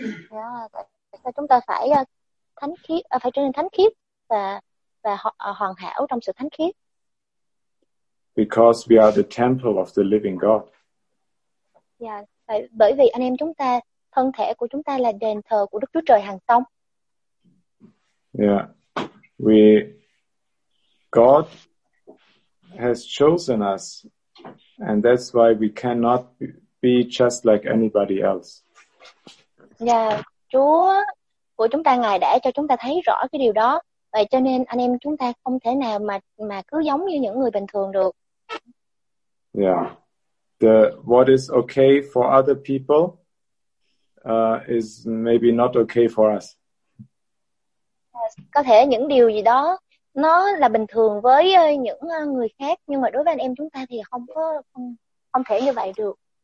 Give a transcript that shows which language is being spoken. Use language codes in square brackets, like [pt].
[vi] Tại sao chúng ta phải thánh khiết, phải trở nên thánh khiết và hoàn hảo trong sự thánh khiết? [en] Because we are the temple of the living God. [vi] Bởi vì anh em chúng ta, thân thể của chúng ta là đền thờ của Đức Chúa Trời hằng sống. [en] Yeah, God has chosen us, and that's why we cannot be just like anybody else. [vi] Yeah, Chúa của chúng ta, Ngài đã cho chúng ta thấy rõ cái điều đó, vậy cho nên anh em chúng ta không thể nào mà cứ giống như những người bình thường được. [en] Yeah, what is okay for other people is maybe not okay for us. [vi] Có thể những điều gì đó nó là bình thường với những người khác, nhưng mà đối với anh em chúng ta thì không thể như vậy được.